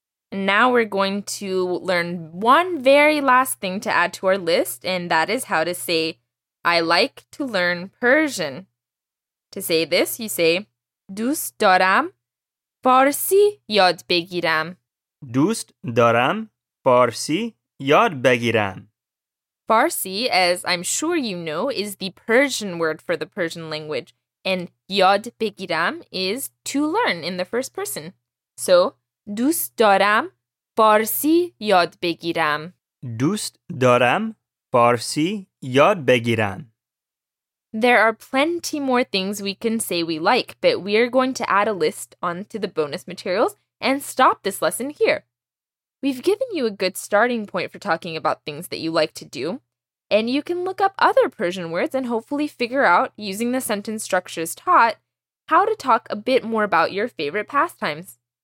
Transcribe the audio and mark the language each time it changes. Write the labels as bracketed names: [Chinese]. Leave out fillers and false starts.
[English] Now we're going to learn one very last thing to add to our list, and that is how to say I like to learn Persian. To say this, you say [Persian] دوست دارم فارسی یاد بگیرم. دوست دارم فارسی یاد بگیرم. [English] فارسی, as I'm sure you know, is the Persian word for the Persian language. And [Persian] یاد بگیرم [English] is to learn in the first person. [Persian] So, دوست دارم فارسی یاد بگیرم. دوست دارم فارسی یاد بگیرم. [English] There are plenty more things we can say we like, but we are going to add a list onto the bonus materials and stop this lesson here. We've given you a good starting point for talking about things that you like to do, and you can look up other Persian words and hopefully figure out, using the sentence structures taught, how to talk a bit more about your favorite pastimes.